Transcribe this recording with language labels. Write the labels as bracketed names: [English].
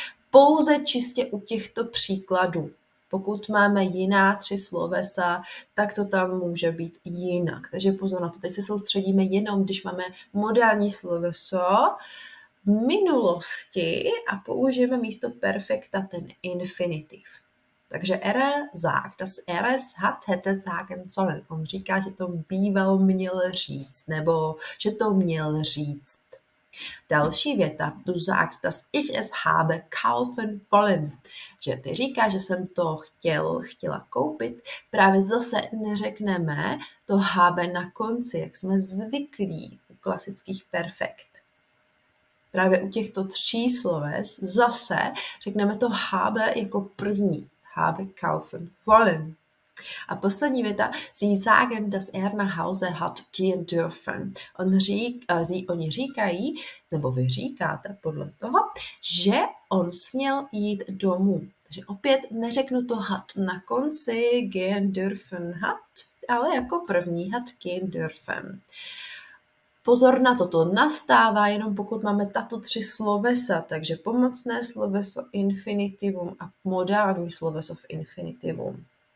[Czech] Pouze čistě u těchto příkladů. Pokud máme jiná tři slovesa, tak to tam může být jinak. Takže pozor na to, teď se soustředíme jenom, když máme modální sloveso v minulosti a použijeme místo perfekta ten infinitiv. Takže [German] er sagt, das er es hat, hätte sagen sollen. [Czech] On říká, že to býval měl říct, nebo že to měl říct. Další věta, [German] du sagst, das ich es habe kaufen wollen. [Czech] Že ty říkáš, že jsem to chtěla koupit, právě zase neřekneme to habe na konci, jak jsme zvyklí u klasických perfekt. Právě u těchto tří sloves zase řekneme to habe jako první. [German] Habe kaufen wollen. [Czech] A poslední věta, [German] sie sagen, dass nach Hause hat gehen dürfen. [Czech] Oni říkají, nebo vy říkáte podle toho, že on směl jít domů. Takže opět neřeknu to hat na konci, [German] gehen dürfen hat, [Czech] ale jako první [German] hat gehen dürfen. [Czech] Pozor na to, to nastává jenom pokud máme tato tři slovesa, takže pomocné sloveso infinitivum a modální sloveso v infinitivum.